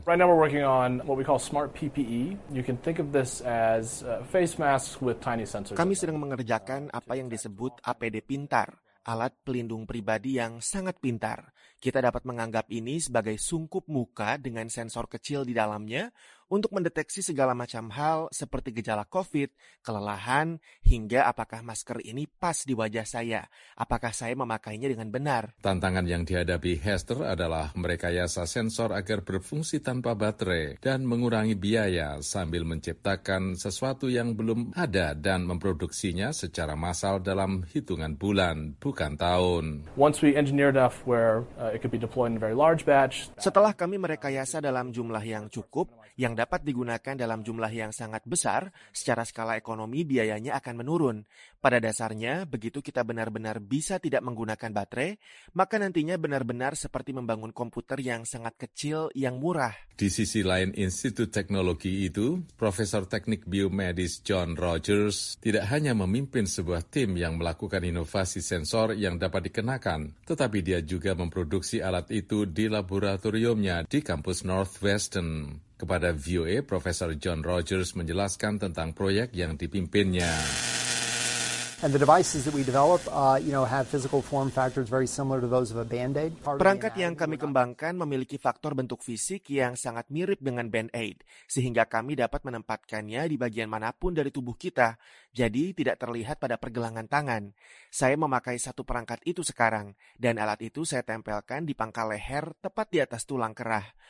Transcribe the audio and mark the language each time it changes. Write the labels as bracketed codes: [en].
[en] Right now we're working on what we call smart PPE. You can think of this as face masks with tiny sensors. [id] Kami sedang mengerjakan apa yang disebut APD pintar, alat pelindung pribadi yang sangat pintar. Kita dapat menganggap ini sebagai sungkup muka dengan sensor kecil di dalamnya untuk mendeteksi segala macam hal seperti gejala COVID, kelelahan, hingga apakah masker ini pas di wajah saya, apakah saya memakainya dengan benar. Tantangan yang dihadapi Hester adalah merekayasa sensor agar berfungsi tanpa baterai dan mengurangi biaya sambil menciptakan sesuatu yang belum ada dan memproduksinya secara massal dalam hitungan bulan, bukan tahun. [en] Once we engineered enough where it could be deployed in a very large batch. [id] Setelah kami merekayasa dalam jumlah yang cukup, yang dapat digunakan dalam jumlah yang sangat besar, secara skala ekonomi biayanya akan menurun. Pada dasarnya, begitu kita benar-benar bisa tidak menggunakan baterai, maka nantinya benar-benar seperti membangun komputer yang sangat kecil, yang murah. Di sisi lain Institut Teknologi itu, Profesor Teknik Biomedis John Rogers tidak hanya memimpin sebuah tim yang melakukan inovasi sensor yang dapat dikenakan, tetapi dia juga memproduksi alat itu di laboratoriumnya di kampus Northwestern. Kepada VOA, Profesor John Rogers menjelaskan tentang proyek yang dipimpinnya. [en] And the devices that we develop, have physical form factors very similar to those of a Band-Aid. [id] Perangkat yang kami kembangkan memiliki faktor bentuk fisik yang sangat mirip dengan Band-Aid, sehingga kami dapat menempatkannya di bagian manapun dari tubuh kita, jadi tidak terlihat pada pergelangan tangan. Saya memakai satu perangkat itu sekarang, dan alat itu saya tempelkan di pangkal leher tepat di atas tulang kerah.